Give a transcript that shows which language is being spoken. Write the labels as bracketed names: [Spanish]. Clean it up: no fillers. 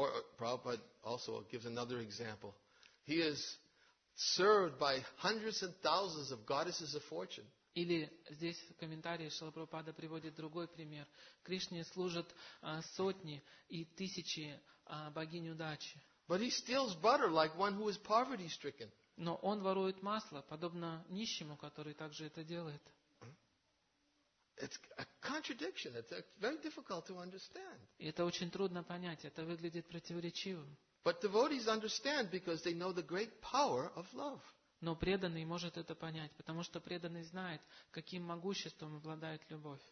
[English] Or Prabhupada also gives another example. He is served by hundreds and thousands of goddesses of fortune. [Russian] Или здесь в комментарии Шрила Прабхупада приводит другой пример. Кришне служат сотни и тысячи богинь удачи. [English] But he steals butter like one who is poverty stricken. [Russian] Но он ворует масло, подобно нищему, который также это делает. [English] It's a contradiction. It's very difficult to understand. [Russian] И это очень трудно понять. Это выглядит противоречивым. [English] But devotees understand because they know the great power of love. [Russian] Но преданный может это понять, потому что преданный знает, каким могуществом обладает любовь.